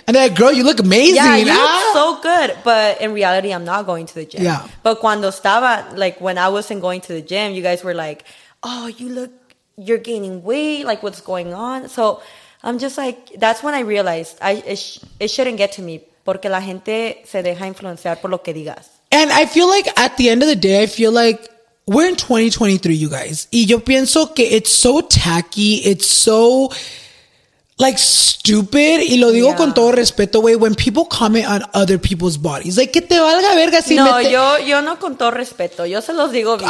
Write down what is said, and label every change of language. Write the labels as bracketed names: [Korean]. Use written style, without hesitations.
[English] And then, girl, you look amazing. Yeah, you look so good. But in reality, I'm not going to the gym. Yeah. But cuando estaba, like, when I wasn't going to the gym, you guys were like, oh, you're gaining weight. Like, what's going on? So I'm just like, that's when I realized it shouldn't get to me. [Spanish] Porque la gente se deja influenciar por lo que digas. [English] And I feel like at the end of the day, I feel like we're in 2023, you guys. Y yo pienso que it's so tacky. It's so, like, stupid. Y lo digo con todo respeto, güey. When people comment on other people's bodies. [Spanish] Like, que te valga verga si no, yo no con todo respeto. Yo se los digo bien.